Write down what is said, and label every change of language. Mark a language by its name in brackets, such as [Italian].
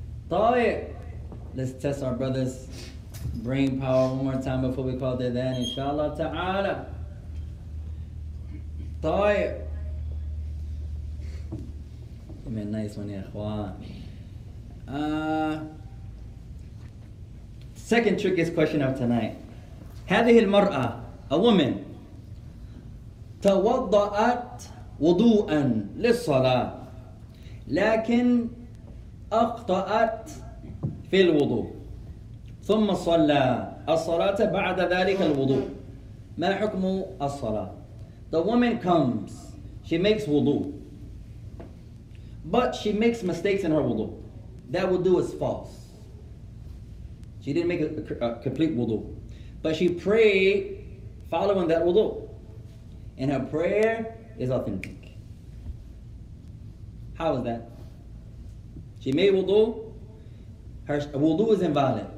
[English] Tayyib. Let's test our brother's brain power one more time before we call the adhan, inshallah ta'ala. Tayyib. Give me a nice one, ya khwan. Second trickiest question of tonight. [Arabic] هذه المرأة, [English] a woman, [Arabic] توضأت وضوءا للصلاة لكن أخطأت في الوضوء ثم صلى الصلاة بعد ذلك الوضوء ما حكم الصلاة؟ [English] The woman comes, she makes wudu, but she makes mistakes in her wudu. That wudu is false. She didn't make a complete wudu, but she prayed following that wudu, and her prayer is authentic. How is that? She made wudu, her wudu is invalid.